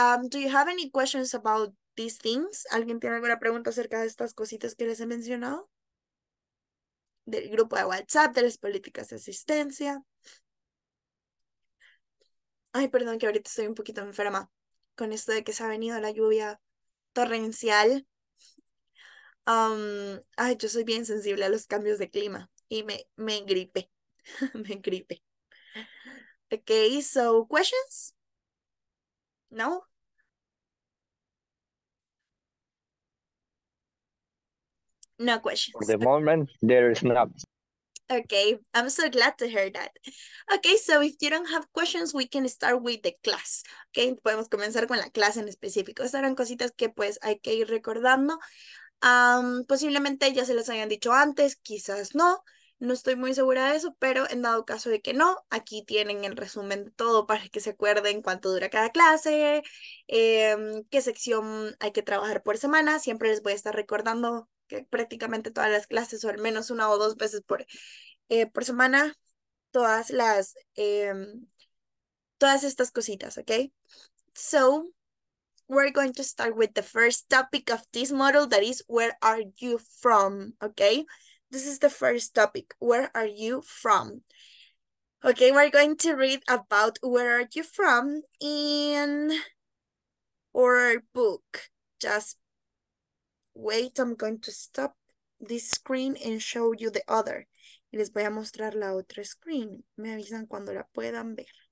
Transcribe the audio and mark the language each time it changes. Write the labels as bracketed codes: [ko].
[en] Do you have any questions about these things? [es] ¿Alguien tiene alguna pregunta acerca de estas cositas que les he mencionado? Del grupo de WhatsApp, de las políticas de asistencia. Ay, perdón, que ahorita estoy un poquito enferma con esto de que se ha venido la lluvia torrencial. Ay, yo soy bien sensible a los cambios de clima y me gripe. Me gripe. [en] Okay, so questions? No? No questions. For the moment, there is none. Okay, I'm so glad to hear that. Okay, so if you don't have questions, we can start with the class. [es] Okay, podemos comenzar con la clase en específico. Estas eran cositas que pues hay que ir recordando. Posiblemente ya se las hayan dicho antes, quizás no. No estoy muy segura de eso, pero en dado caso de que no, aquí tienen el resumen de todo para que se acuerden cuánto dura cada clase, qué sección hay que trabajar por semana. Siempre les voy a estar recordando que prácticamente todas las clases, o al menos una o dos veces por semana, todas estas cositas, ¿ok? [en] So, we're going to start with the first topic of this module, that is, where are you from, ¿ok? This is the first topic. Where are you from? Okay, we're going to read about where are you from in our book. Just wait, I'm going to stop this screen and show you the other. [es] Y les voy a mostrar la otra screen. Me avisan cuando la puedan ver.